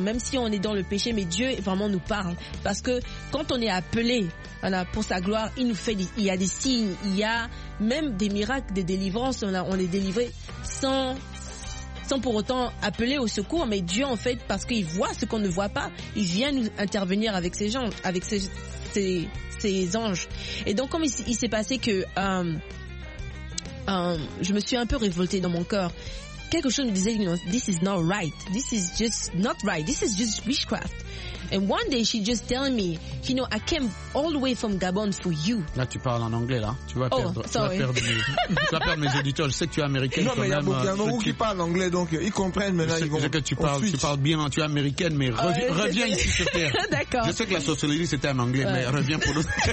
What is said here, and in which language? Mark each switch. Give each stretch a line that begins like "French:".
French: Même si on est dans le péché, mais Dieu vraiment nous parle. Parce que quand on est appelé, voilà, pour sa gloire, il nous fait il y a des signes, il y a même des miracles, des délivrances, on est délivré sans pour autant appeler au secours, mais Dieu, en fait, parce qu'il voit ce qu'on ne voit pas, il vient nous intervenir avec ses gens, avec ses anges. Et donc, comme il s'est passé que, je me suis un peu révoltée dans mon cœur. Quelque chose me disait,
English: this is not right. This is just not right. This is just witchcraft. And one day she just telling me, you know, I came all the way from Gabon for you.
French: Là, tu parles en anglais, là. Tu vas perdre mes auditeurs. Je sais que tu es américaine. Non, mais il y a beaucoup qui parlent anglais, donc ils comprennent, mais là, ils vont. Je sais que tu parles bien, tu es américaine, mais reviens ici sur terre. D'accord. Je sais que la sociologie, c'était en anglais, mais reviens pour nous.